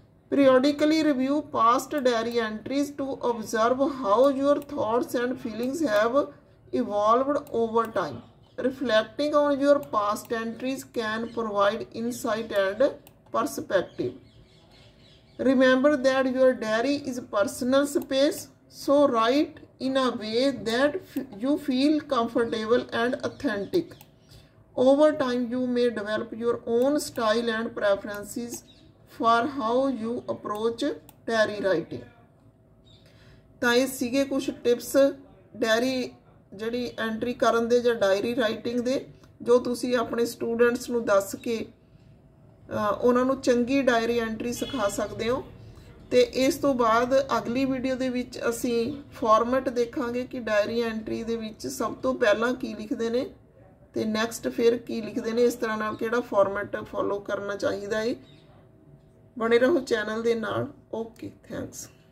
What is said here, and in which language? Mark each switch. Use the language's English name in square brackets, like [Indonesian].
[English] Periodically review past diary entries to observe how your thoughts and feelings have evolved over time. Reflecting on your past entries can provide insight and perspective. Remember that your diary is personal space, so write in a way that you feel comfortable and authentic. Over time, you may develop your own style and preferences for how you approach diary writing. [Punjabi] ਤਾਂ ਇਹ ਸੀਗੇ ਕੁਛ tips diary ਜਿਹੜੀ entry ਕਰਨ ਦੇ ਜਾਂ diary writing ਦੇ, ਜੋ ਤੁਸੀਂ ਆਪਣੇ ਸਟੂਡੈਂਟਸ ਨੂੰ ਦੱਸ ਕੇ ਉਹਨਾਂ ਨੂੰ ਚੰਗੀ ਡਾਇਰੀ ਐਂਟਰੀ ਸਿਖਾ ਸਕਦੇ ਹੋ। ਅਤੇ ਇਸ ਤੋਂ ਬਾਅਦ ਅਗਲੀ ਵੀਡੀਓ ਦੇ ਵਿੱਚ ਅਸੀਂ ਫਾਰਮੈਟ ਦੇਖਾਂਗੇ ਕਿ ਡਾਇਰੀ ਐਂਟਰੀ ਦੇ ਵਿੱਚ ਸਭ ਤੋਂ ਪਹਿਲਾਂ ਕੀ ਲਿਖਦੇ ਨੇ ਅਤੇ ਨੈਕਸਟ ਫਿਰ ਕੀ ਲਿਖਦੇ ਨੇ, ਇਸ ਤਰ੍ਹਾਂ ਨਾਲ ਕਿਹੜਾ ਫਾਰਮੈਟ ਫੋਲੋ ਕਰਨਾ ਚਾਹੀਦਾ ਹੈ। ਬਣੇ ਰਹੋ ਚੈਨਲ ਦੇ ਨਾਲ। Okay, thanks.